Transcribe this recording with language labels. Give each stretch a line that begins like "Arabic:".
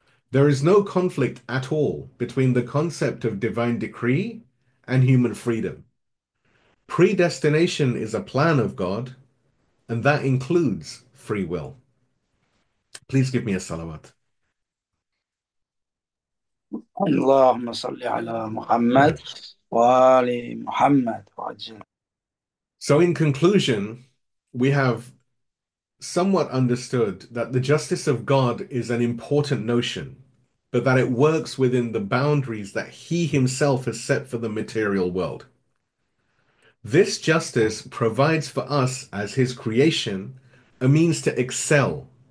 English: There is no conflict at all between the concept of divine decree and human freedom. Predestination is a plan of God, and that includes free will. Please give me a salawat.
Arabic: اللهم صل على محمد وآل محمد وعجل
English: So, in conclusion, we have somewhat understood that the justice of God is an important notion, but that it works within the boundaries that he himself has set for the material world. This justice provides for us, as his creation, a means to excel.